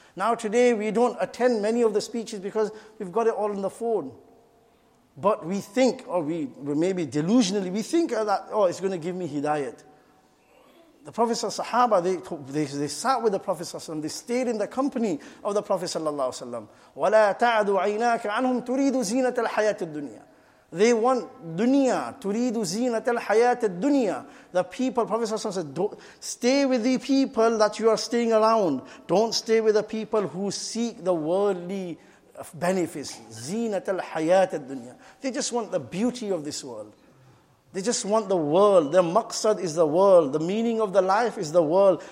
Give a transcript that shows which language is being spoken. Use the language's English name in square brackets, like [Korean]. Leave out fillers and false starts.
[English] Now today we don't attend many of the speeches because we've got it all on the phone. But we think, or we maybe delusionally, we think that, oh, it's going to give me hidayat. the Prophet Sahaba, they sat with the Prophet Sallallahu Alaihi Wasallam, they stayed in the company of the Prophet Sallallahu Alaihi Wasallam. [Arabic] وَلَا تَعَدُ عَيْنَاكَ عَنْهُمْ تُرِيدُ زِينَةَ الْحَيَاةِ الدُّنْيَا. [English] They want dunya, [Arabic] تُرِيدُ زِينَةَ الْحَيَاةِ الدُّنْيا. [English] The people, Prophet Sallallahu Alaihi Wasallam said, stay with the people that you are staying around. Don't stay with the people who seek the worldly benefits. [Arabic] زِينَةَ الْحَيَاةِ الدُّنْيَا. [English] They just want the beauty of this world. They just want the world. Their maqsad is the world. The meaning of the life is the world.